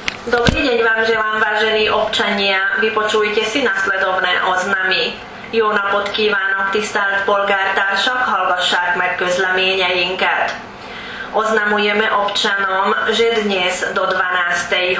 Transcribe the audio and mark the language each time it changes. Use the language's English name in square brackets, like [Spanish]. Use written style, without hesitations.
[Slovak] Dobrý deň vám želám, vážení občania. Vypočujte si nasledovné oznamy. [Hungarian] Jó napot kívánok, tisztelt polgártársak, hallgassák meg közleményeinket. [Slovak] Oznamujeme občanom, že dnes do 12.